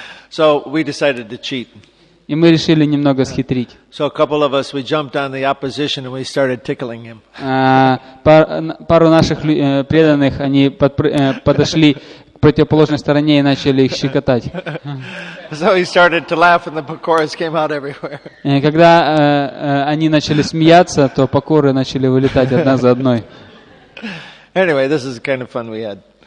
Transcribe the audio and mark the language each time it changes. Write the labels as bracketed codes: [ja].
[en] So we decided to cheat. [ru] И мы решили немного схитрить. [en] So a couple of us we jumped on the opposition and we started tickling him. [ru] Пару наших преданных они подошли к противоположной стороне и начали их щекотать. [en] So he started to laugh and the pakoras came out everywhere. [ru] Когда они начали смеяться, то пакоры начали вылетать одна за одной. [en] Anyway, this is the kind of fun we had.